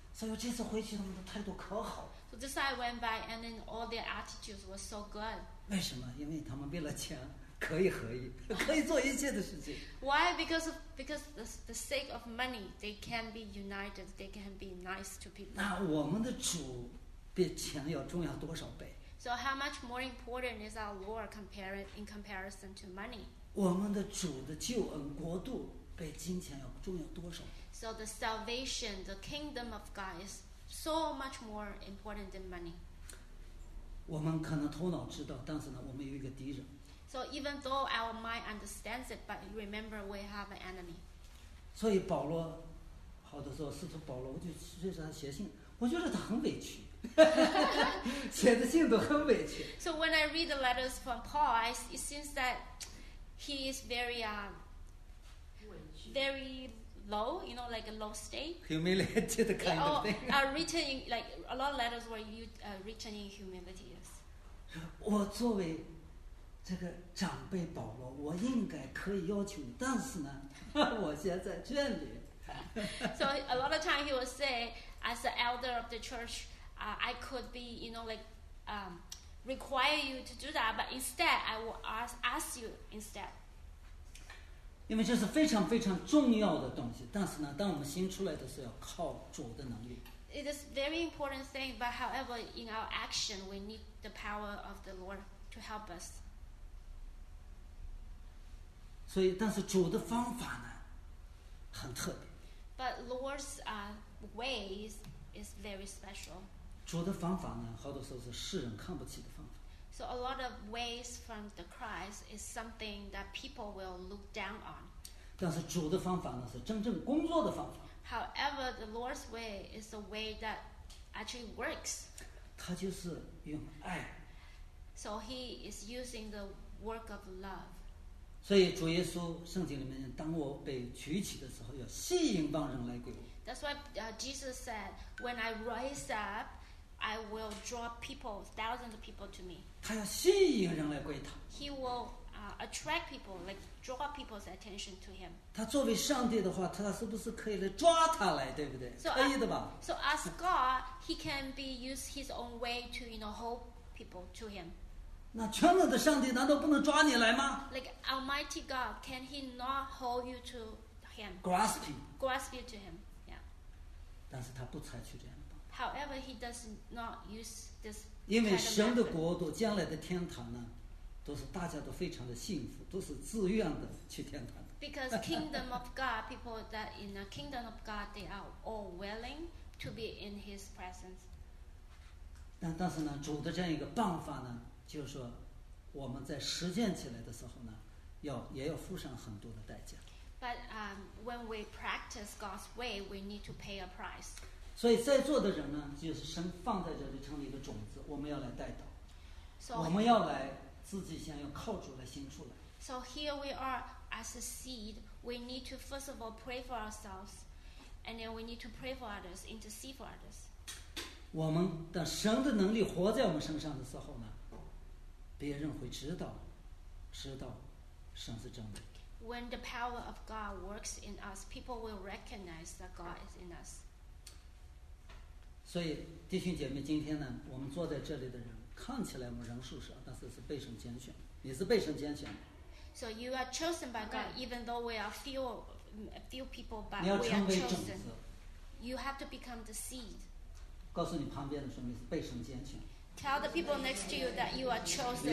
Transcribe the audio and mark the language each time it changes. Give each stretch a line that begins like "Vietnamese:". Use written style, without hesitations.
Chinese: 所以这次回去他们的态度可好。
English: So this I went by, and then all their attitudes were so good.
Chinese: 为什么？因为他们为了钱可以合一，可以做一切的事情。
English: Why? Because the sake of money, they can be united. They can be nice to people.
Chinese: 那我们的主比钱要重要多少倍？
English: So how much more important is our Lord compared in comparison to money?
Chinese: 我们的主的救恩国度比金钱要重要多少？
English: So the salvation, the kingdom of God is so much more important than money.
Chinese: 我们可能头脑知道，但是呢，我们有一个敌人。
English: So even though our mind understands it, but remember we have an enemy.
Chinese: 所以保罗，好的时候，使徒保罗，我就随时写信，我觉得他很委屈，写的信都很委屈。
English: So when I read the letters from Paul, it seems that he is very, very low, you know, like a low state. Humiliated kind of thing. Are written in, like a lot of letters were written in humility.
Chinese: 我作为这个长辈保罗，我应该可以要求你，但是呢，我现在这里。
English: So a lot of time he would say, as the elder of the church, I could be, you know, like, require you to do that, but instead, I will ask you instead.
Chinese: 因为这是非常非常重要的东西，但是呢，当我们新出来的时候，要靠主的能力。
English: It is very important thing, but however, in our action, we need the power of the Lord to help us.
Chinese: 所以，但是主的方法呢，很特别。
English: But Lord's ways is very special.
Chinese: 主的方法呢，好多时候是世人看不起的方法。
English: So a lot of ways from the Christ is something that people will look down on.
Chinese: 但是主的方法呢，是真正工作的方法。
English: However, the Lord's way is a way that actually works.
Chinese: 他就是用爱。
English: So he is using the work of love.
Chinese: 所以主耶稣圣经里面，当我被举起的时候，要吸引万人来归我。
English: That's why Jesus said, "When I rise up, I will draw people, thousands of people to me."
Chinese: 他要吸引人来归他。
English: He will attract people, like draw people's attention to him.
Chinese: 他作为上帝的话，他是不是可以来抓他来，对不对？
English: So,
Chinese: 可以的吧
English: ？So as God, he can be use his own way to, you know, hold people to him.
Chinese: 那全能的上帝难道不能抓你来吗
English: ？Like Almighty God, can He not hold you to Him? Grasp you to Him, yeah.
Chinese: 但是他不采取这样的。
English: However, He does not use this.
Chinese: 因为神的国度将来的天堂呢，都是大家都非常的幸福，都是自愿的去天堂的。
English: Because kingdom of God, people that in the kingdom of God, they are all willing to be in His presence.
Chinese: 但是呢，主的这样一个办法呢？就是说，我们在实践起来的时候呢，也要付上很多的代价。
English: But when we practice God's way, we need to pay a price.
Chinese: 所以在座的人呢，就是神放在这里成了一个种子，我们要来带到。
English: So,
Chinese: 我们要来自己先要靠主来兴出来。
English: So here we are as a seed. We need to first of all pray for ourselves, and then we need to pray for others, intercede for others.
Chinese: 我们的神的能力活在我们身上的时候呢？别人会知道神是真的。
English: When the power of God works in us, people will recognize that God is in us.
Chinese: 所以弟兄姐妹，今天呢，我们坐在这里的人，看起来我们人数少，但是是被神拣选，你是被神拣选的。
English: So you are chosen by God, even though we are few people, but we are chosen. You have to become the seed.
Chinese: 告诉你旁边的说，你是被神拣选。
English: Tell the people next to you that you are chosen.